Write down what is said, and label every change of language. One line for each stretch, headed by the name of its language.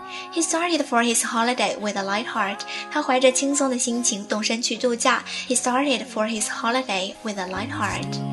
English: He started for his holiday with a light heart.
Chinese: 他怀着轻松的心情动身去度假。
English: He started for his holiday with a light heart.